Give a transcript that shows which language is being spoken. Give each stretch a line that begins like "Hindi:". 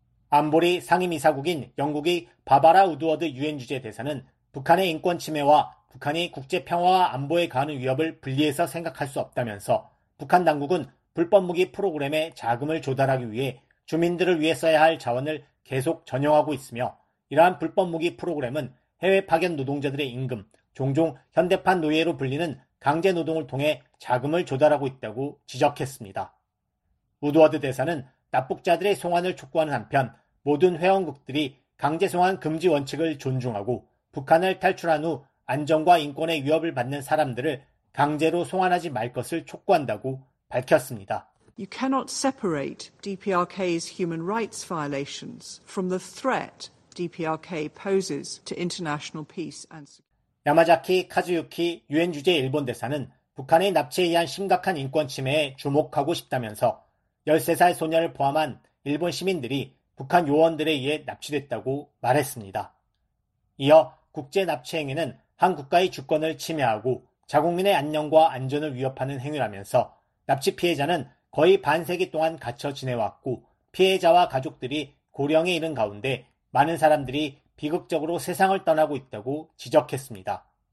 Korean: 안보리 상임이사국인 영국의 바바라 우드워드 유엔 주재 대사는 북한의 인권 침해와 북한이 국제 평화와 안보에 가하는 위협을 분리해서 생각할 수 없다면서 북한 당국은 불법 무기 프로그램에 자금을 조달하기 위해 주민들을 위해 써야 할 자원을 계속 전용하고 있으며 이러한 불법 무기 프로그램은 해외 파견 노동자들의 임금, 종종 현대판 노예로 불리는 강제 노동을 통해 자금을 조달하고 있다고 지적했습니다. 우드워드 대사는 납북자들의 송환을 촉구하는 한편 모든 회원국들이 강제 송환 금지 원칙을 존중하고 북한을 탈출한 후 안전과 인권의 위협을 받는 사람들을 강제로 송환하지 말 것을 촉구한다고 밝혔습니다.
English: You cannot separate DPRK's human rights violations from the threat DPRK poses to international peace and security.
Korean: 야마자키 카즈유키 유엔 주재 일본 대사는 북한의 납치에 의한 심각한 인권 침해에 주목하고 싶다면서 13살 소녀를 포함한 일본 시민들이 북한 요원들에 의해 납치됐다고 말했습니다. 이어 국제 납치 행위는 한 국가의 주권을 침해하고 자국민의 안녕과 안전을 위협하는 행위라면서 납치 피해자는 거의 반세기 동안 갇혀 지내왔고 피해자와 가족들이 고령에 이른 가운데 많은 사람들이 비극적으로 세상을 떠나고 있다고 지적했습니다.